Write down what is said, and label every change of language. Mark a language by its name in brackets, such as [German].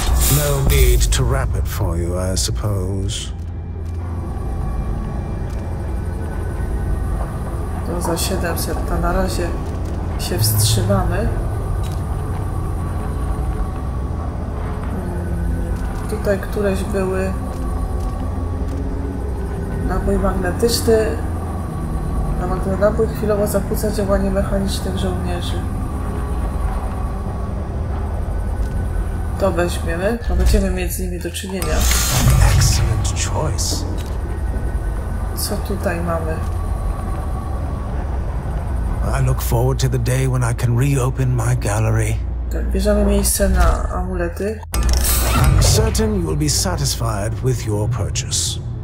[English] No need to wrap it for you, I suppose. [Polish] To za 700, to na razie się wstrzymamy. Tutaj któreś były nabój magnetyczny, a nabój chwilowo zakłóca działanie mechanicznych żołnierzy. To weźmiemy, to będziemy mieć z nimi do czynienia. [English] Excellent choice. [Polish] Co tutaj mamy? [English] I look forward to the day when I can reopen my gallery. [Polish] Tak, bierzemy miejsce na amulety. [English] I'm certain you will be satisfied with your purchase.